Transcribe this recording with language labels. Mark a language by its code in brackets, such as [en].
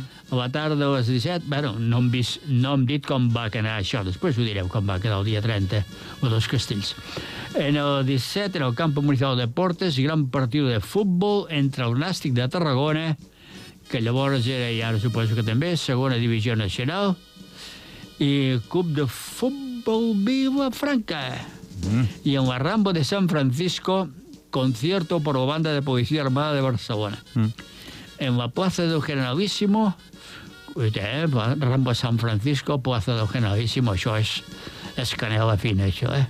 [ca] A la tarda a les 17, bueno, no hem dit com va quedar això, després ho direu, com va quedar el dia 30, els dos castells. En el 17, en el camp municipal de Portes, gran partit de futbol entre el Nàstic de Tarragona, que llavors era, i ara suposo que també, segona divisió nacional, i club de futbol Vilafranca. [es] I en la Rambla de San Francisco, concierto por la banda de Policía Armada de Barcelona. En la plaza del Generalísimo, [ca] Rambo San Francisco, Plaza del Generalísimo, això és canela fina, això, eh?